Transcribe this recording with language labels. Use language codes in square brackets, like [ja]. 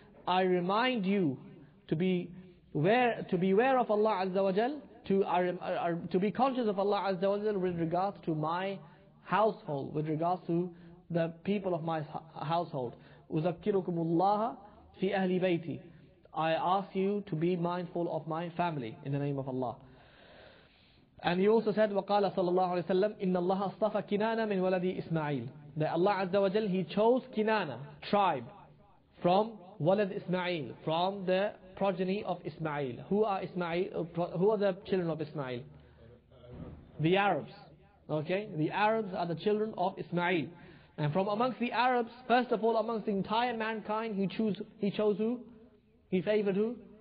[en] I remind you to beware of Allah Azza wa Jal, to be conscious of Allah Azza wa Jal with regards to my household, with regards to the people of my household. [ar] أُذَكِّرُكُمُ اللَّهَ فِي أَهْلِ بَيْتِ. [en] I ask you to be mindful of my family in the name of Allah. And he also said, [ar] وَقَالَ صَلَى اللَّهُ عَلَيْهِ وَسَلَّمْ إِنَّ اللَّهَ أَصْطَفَ كِنَانَ مِنْ وَلَدِي إِسْمَعِيلِ. [en] That Allah Azza wa Jal, he chose Kinana tribe from Walad Ismail, from the progeny of Ismail. Who are Ismail? Who are the children of Ismail? The Arabs. Okay? The Arabs are the children of Ismail. And from amongst the Arabs, first of all, amongst the entire mankind, he chose who? He favored who?